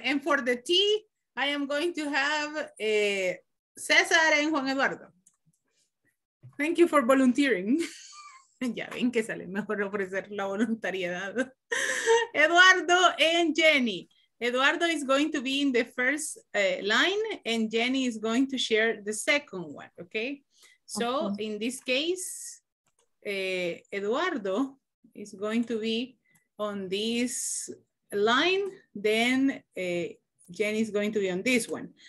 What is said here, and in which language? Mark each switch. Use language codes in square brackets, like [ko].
[en] And for the T, I am going to have César and Juan Eduardo. Thank you for volunteering. [es] Ya ven que sale mejor ofrecer la voluntariedad. [en] Eduardo and Jenny. Eduardo is going to be in the first line and Jenny is going to share the second one, okay? So okay. In this case, Eduardo is going to be on this line, then Jenny is going to be on this one.